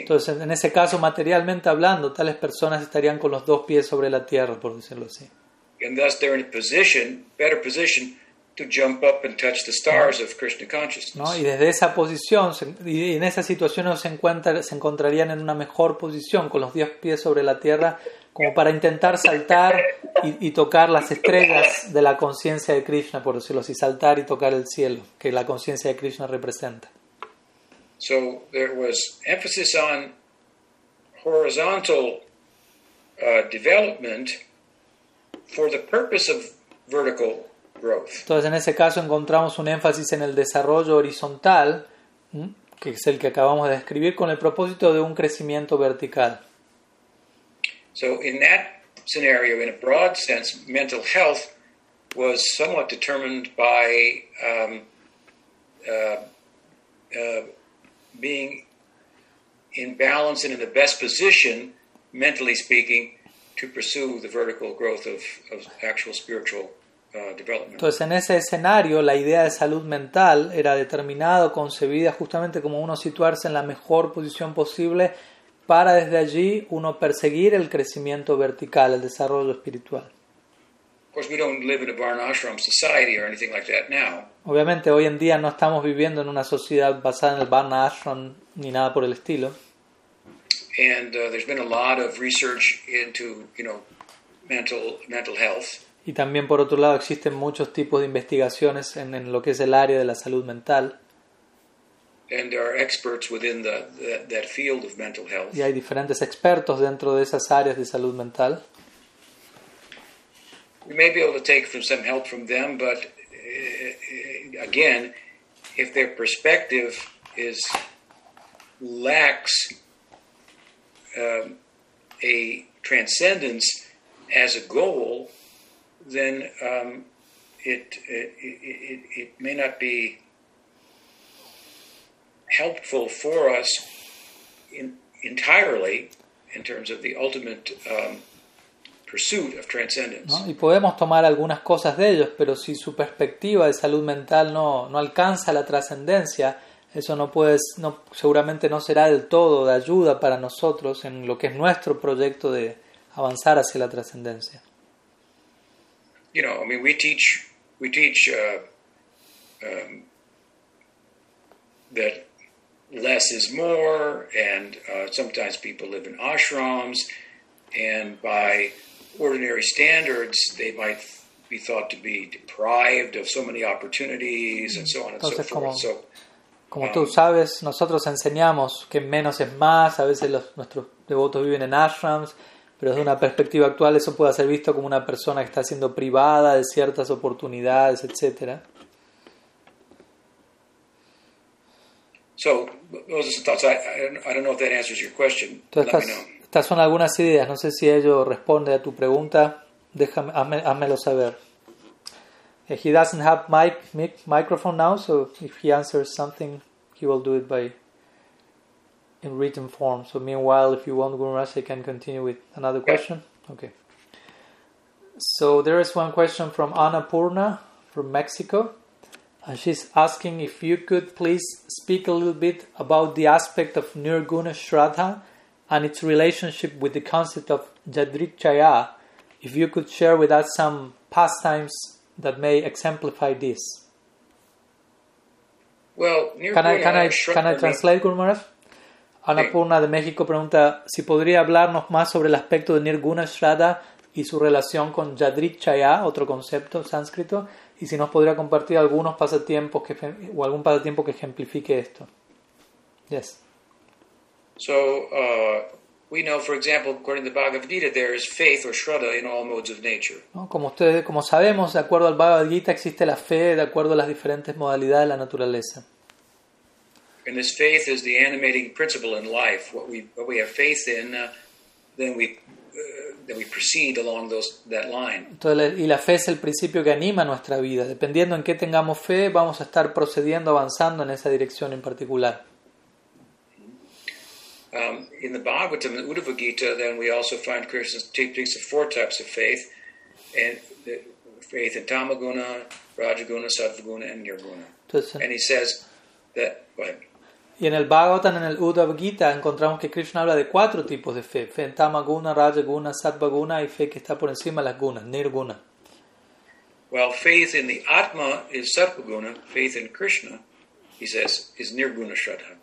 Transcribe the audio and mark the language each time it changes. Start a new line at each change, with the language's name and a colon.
Spanish: Entonces, en ese caso, materialmente hablando, tales personas estarían con los dos pies sobre la tierra, por decirlo así.
English: And thus, they're in a position, better position, to jump up and touch the stars of Krishna consciousness.
Spanish: ¿No? Y desde esa posición, en esa situación se encontrarían en una mejor posición con los 10 pies sobre la tierra como para intentar saltar y tocar las estrellas de la conciencia de Krishna, por decirlo así, saltar y tocar el cielo que la conciencia de Krishna representa.
English: So there was emphasis on horizontal development for the purpose of vertical.
Spanish: Entonces, en ese caso, encontramos un énfasis en el desarrollo horizontal, que es el que acabamos de describir, con el propósito de un crecimiento vertical.
English: So, in that scenario, in a broad sense, mental health was somewhat determined by being in balance and in the best position, mentally speaking, to pursue the vertical growth of actual spiritual growth.
Spanish: Entonces, en ese escenario, la idea de salud mental era determinada o concebida justamente como uno situarse en la mejor posición posible para desde allí uno perseguir el crecimiento vertical, el desarrollo espiritual.
English: Of course, we don't live in a varnashram society or anything like that now.
Spanish: Obviamente, hoy en día no estamos viviendo en una sociedad basada en el varnashram ni nada por el estilo.
English: And there's been a lot of research into, you know, mental health.
Spanish: Y también, por otro lado, existen muchos tipos de investigaciones en lo que es el área de la salud mental.
English: And there are experts within that field of mental health.
Spanish: Y hay diferentes expertos dentro de esas áreas de salud mental.
English: we may be able to take from some help from them, but again, if their perspective is lacks a transcendence as a goal, then it may not be helpful for us entirely in terms of the ultimate pursuit of transcendence.
Spanish: ¿No? Y podemos tomar algunas cosas de ellos, pero si su perspectiva de salud mental no alcanza la trascendencia, eso seguramente no será del todo de ayuda para nosotros en lo que es nuestro proyecto de avanzar hacia la trascendencia.
English: You know, I mean, we teach that less is more, and sometimes people live in ashrams, and by ordinary standards, they might be thought to be deprived of so many opportunities, and so on and
Spanish: entonces,
English: so forth. So,
Spanish: como tú sabes, nosotros enseñamos que menos es más. A veces nuestros devotos viven en ashrams, pero desde una perspectiva actual eso puede ser visto como una persona que está siendo privada de ciertas oportunidades, etc.
English: So, those are some thoughts. I don't know if that answers your question.
Spanish: Estas son algunas ideas. No sé si ello responde a tu pregunta. Hámelo saber.
English: He doesn't have my microphone now, so if he answers something, he will do it in written form. So meanwhile, if you want, Guru Maharaj, I can continue with another question. Okay. So there is one question from Annapurna from Mexico. And she's asking if you could please speak a little bit about the aspect of Nirguna Shraddha and its relationship with the concept of Yadrichaya. If you could share with us some pastimes that may exemplify this. Well, can I translate, Guru Maharaj?
Spanish: Annapurna de México pregunta si podría hablarnos más sobre el aspecto de Nirguna Shraddha y su relación con Yadrichaya, otro concepto sánscrito, y si nos podría compartir algunos pasatiempos algún pasatiempo que ejemplifique esto.
English: Yes. So, we know, for example, according to the Bhagavad Gita, there is faith or Shraddha in all modes of nature.
Spanish: ¿No? Como sabemos, de acuerdo al Bhagavad Gita, existe la fe de acuerdo a las diferentes modalidades de la naturaleza.
English: And this faith is the animating principle in life. What we have faith in, then we proceed along that line.
Spanish: Y la fe es el principio que anima nuestra vida. Dependiendo en qué tengamos fe, vamos a estar procediendo, avanzando en esa dirección en particular.
English: In the Bhagavatam, the Uddhava Gita, then we also find Krishna's teachings of four types of faith, and the faith in Tamaguna, Rajaguna, Sattvaguna, and Nirguna. And he says that. Go ahead.
Spanish: Y en el Bhagavatam, en el Uddhava Gita, encontramos que Krishna habla de cuatro tipos de fe. Fe en Tamaguna, Rajaguna, Sattvaguna y fe que está por encima de las gunas, Nirguna.
English: Well, faith in the Atma is Sattvaguna. Faith in Krishna, he says, is Nirguna Shraddha.